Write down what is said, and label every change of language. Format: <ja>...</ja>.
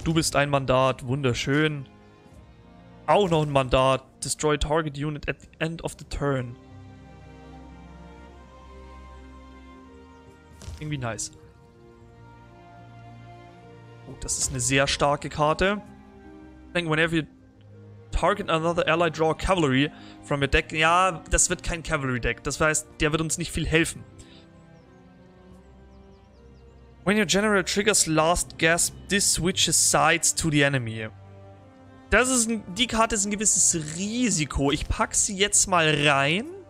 <de>Du bist ein Mandat. Wunderschön. Auch noch ein Mandat.</de> <en>Destroy target unit at the end of the turn.</en> <de>Irgendwie nice. Oh, das ist eine sehr starke Karte.</de> <en>I think whenever you target another ally, draw cavalry from your deck.</en> <de>Ja, das wird kein Cavalry Deck. Das heißt, der wird uns nicht viel helfen.</de> <en>When your general triggers last gasp, this switches sides to the enemy.</en> <de>Die Karte ist ein gewisses Risiko. Ich packe sie jetzt mal rein.</de>